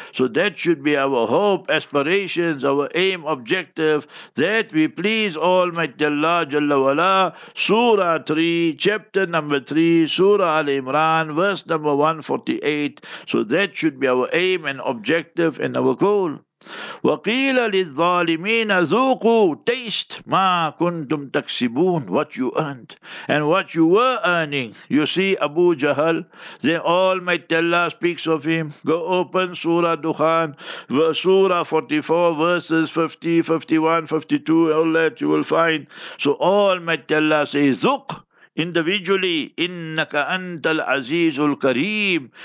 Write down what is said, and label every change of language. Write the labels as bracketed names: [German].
[English] So that should be our hope, aspirations, our aim, objective, that we please Almighty Allah Jalla wa Ala. Surah 3, chapter number 3, Surah Al-Imran, verse number 148. So that should be our aim and objective and our goal. [Arabic] وقيل للظالمين ذوقوا taste ما كنتم تكسبون. [English] What you earned and what you were earning. You see Abu Jahl, the Almighty Allah speaks of him. Go open Surah Dukhan, Surah 44, verses 50, 51, 52, all that you will find. So Almighty Allah says ذوق individually, [Arabic] innaka antal azizul kareem.